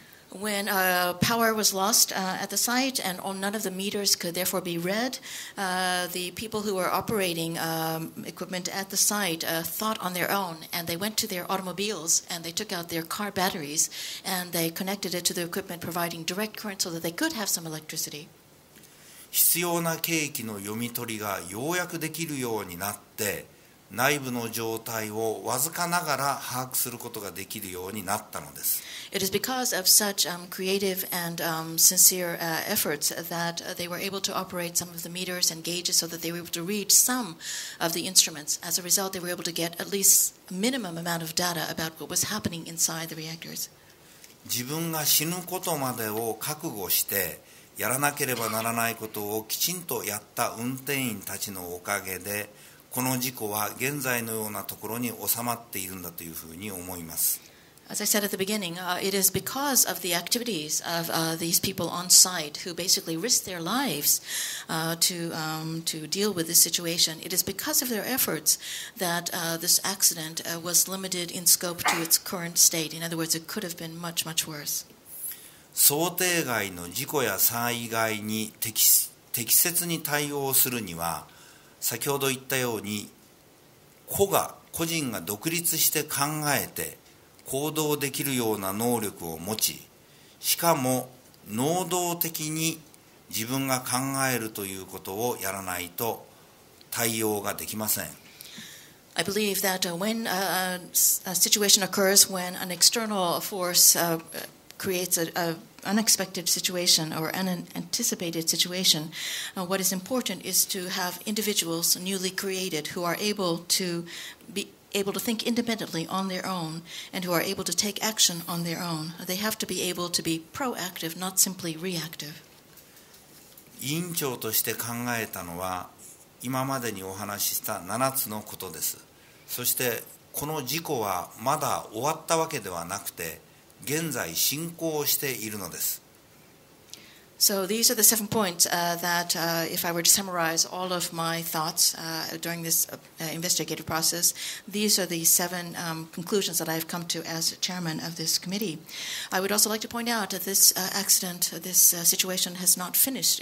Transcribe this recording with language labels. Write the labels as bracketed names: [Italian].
[English] When power was lost at the site and none of the meters could therefore be read, the people who were operating equipment at the site thought on their own and they went to their automobiles and they took out their car batteries and they connected it to the equipment providing direct current so that they could have some electricity. [Japanese] 必要な計器の読み取りがようやくできるようになって、内部の状態をわずかながら把握することができるようになったのです。 [English] It is because of such creative and sincere efforts that they were able to operate some of the meters and gauges so that they were able to read some of the instruments. As a result, they were able to get at least a minimum amount of data about what was happening inside the reactors. [Japanese] 自分が死ぬことまでを覚悟して、やらなければならないことをきちんとやった運転員たちのおかげで、この事故は現在のようなところに収まっているんだというふうに思います。 [English] As I said at the beginning, it is because of the activities of these people on site who basically risked their lives to deal with this situation. It is because of their efforts that this accident was limited in scope to its current state. In other words, it could have been much, much worse. [Japanese] 想定外の事故や災害に適切に対応するには、先ほど言ったように、個人が独立して考えて行動できるような能力を持ち、しかも能動的に自分が考えるということをやらないと対応ができません。 [English] I believe that when a situation occurs, when an external force creates an unexpected situation or an anticipated situation, what is important is to have individuals newly created who are able to be able to think independently on their own and who are able to take action on their own. They have to be able to be proactive, not simply reactive. [Japanese] 委員長として考えたのは今までにお話しした7つのことです。そしてこの事故はまだ終わったわけではなくて現在進行しているのです。 [English] So these are the seven points that if I were to summarize all of my thoughts during this investigative process, these are the seven conclusions that I've come to as chairman of this committee. I would also like to point out that this accident, this situation has not finished.